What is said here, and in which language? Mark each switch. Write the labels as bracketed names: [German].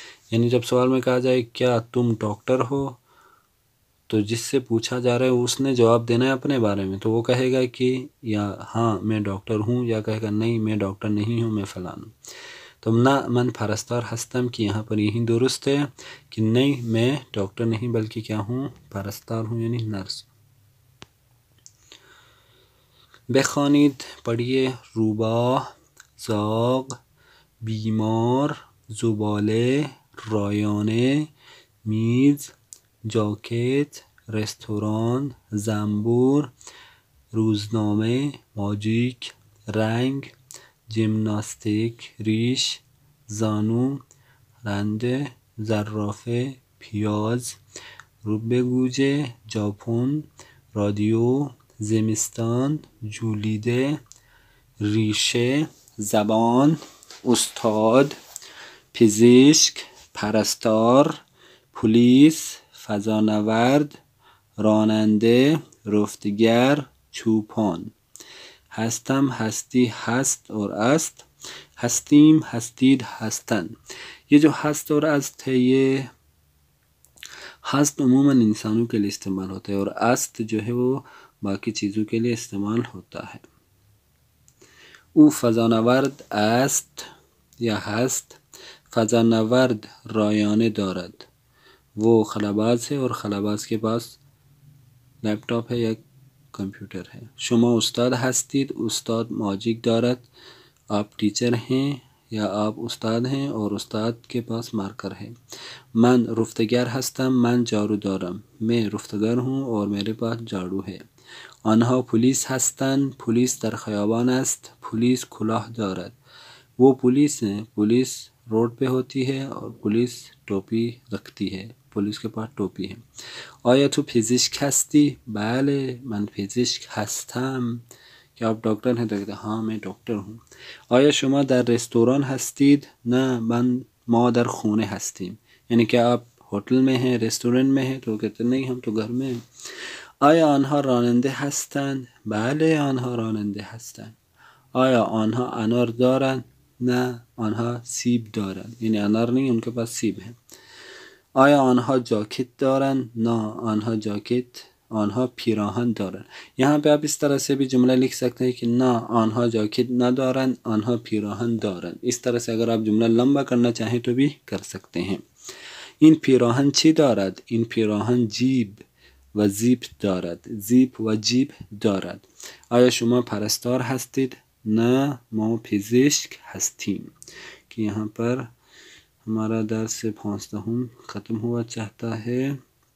[Urdu] یعنی جب سوال میں کہا جائے کیا تم ڈاکٹر ہو، تو جس سے پوچھا جا رہا ہے اس نے جواب دینا ہے اپنے بارے میں، تو وہ کہے گا کہ یا ہاں میں ڈاکٹر ہوں، یا کہے گا نہیں میں ڈاکٹر نہیں ہوں، میں فلان ہوں. تو نہ [Persian] من پرستار ہستم [Urdu] کہ یہاں پر یہی درست ہے، کہ نہیں میں ڈاکٹر نہیں بلکہ کیا ہوں، پرستار ہوں، یعنی نرس. [Persian] بخوانید، [Urdu] پڑھیے. [Persian] روباه، زاغ، بیمار، زباله، رایانه، میز، جاکت، رستوران، زنبور، روزنامه، ماجیک، رنگ، جمناستیک، ریش، زانو، رنده، زرافه، پیاز، روبه گوجه، ژاپن، رادیو، زمستان، جولیده، ریشه، زبان، استاد، پزشک، پرستار، پلیس، فضانورد، راننده، رفتگر، چوپان. هستم، هستی، هست، اور است، هستیم، هستید، هستن. [Urdu] یه جو هست اور است تیه هست عموما انسانوں کے لیے استعمال ہوتا ہے، اور است جو ہے وہ باقی چیزوں کے لیے استعمال ہوتا ہے. [Persian] او فضانورد است یا هست. فضانورد رایانه دارد. [Urdu] وہ خلباز ہے اور خلباز کے پاس لیپ ٹاپ ہے یا کمپیوٹر ہے. [Persian] شما استاد هستید. استاد ماجیک دارد. [Urdu] آپ ٹیچر ہیں یا آپ استاد ہیں اور استاد کے پاس مارکر ہے. [Persian] من رفتگر هستم. من جارو دارم. [Urdu] میں رفتگر ہوں اور میرے پاس جارو ہے. [Persian] آنها پلیس هستند. پلیس در خیابان است. پلیس کلاه دارد. [Urdu] وہ پلیس ہیں. پلیس روڈ پہ ہوتی ہے اور پلیس ٹوپی رکھتی ہے. پلیس کے پاس ٹوپی ہے. [Persian] آیا تو پزشک هستی؟ بله من پزشک هستم. [Urdu] کیا آپ ڈاکٹر ہیں؟ دیکھتے ہاں میں ڈاکٹر ہوں. [Persian] آیا شما در ریستوران هستید؟ نه من ما در خونه هستیم. [Urdu] یعنی کیا آپ ہوٹل میں ہیں، ریستوران میں ہیں؟ تو کہتے نہیں ہم تو گھر میں ہیں. [Persian] آیا آنها راننده هستند؟ بله آنها راننده هستند. آیا آنها انار دارند؟ نه آنها سیب دارند. یعنی انار نیست، اونکه پاس سیب هست. آیا آنها جاکت دارند؟ نه آنها جاکت، آنها پیراهن دارند. [Urdu] یہاں پہ آپ اس طرح سے بھی جملہ لکھ سکتے ہیں کہ [Persian] نہ آنها جاکت ندارند، آنها پیراهن دارند. [Urdu] اس طرح سے اگر آپ جملہ لمبا کرنا چاہیں تو بھی کر سکتے ہیں. [Persian] این پیراهن چی دارد؟ این پیراهن جیب و زیپ دارد. زیپ و جیب دارد. آیا شما پرستار هستید؟ نه ما پزشک هستیم. [Urdu] که یہاں پر ہمارا درس 15 ختم ہوا چاہتا ہے.